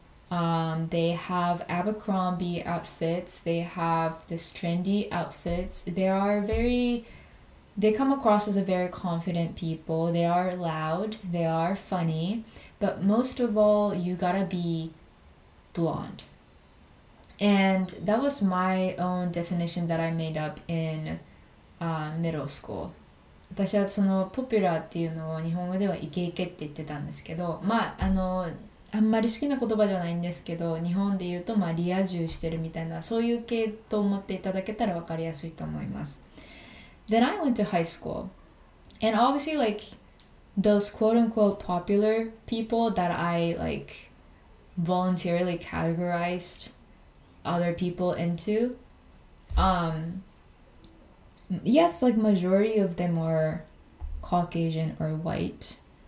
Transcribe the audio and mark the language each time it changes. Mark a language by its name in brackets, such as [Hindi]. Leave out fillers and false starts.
[English] They have Abercrombie outfits, they have this trendy outfits, they come across as a very confident people, they are loud, they are funny, but most of all, you gotta be blonde. And that was my own definition that I made up in middle school. [Japanese] 私はそのポピュラーっていうのを日本語ではイケイケって言ってたんですけど、まああのあんまり好きな言葉じゃないんですけど、日本で言うとまあリア充してるみたいな、そういう系と思っていただけたら分かりやすいと思います。 [English] Then I went to high school. And obviously like those quote unquote popular people that I like voluntarily categorized other people into. Yes, like majority of them are Caucasian or white.